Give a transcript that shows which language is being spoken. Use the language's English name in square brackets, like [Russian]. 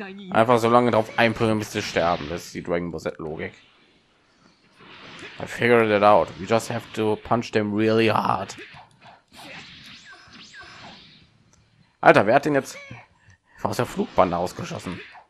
[German] Einfach so lange darauf einprügeln, bis sie sterben. Das ist die Dragon Ball Z-Logik. [English] I figured it out. We just have to punch them really hard. [German] Alter, wer hat den jetzt aus der Flugbahn ausgeschossen?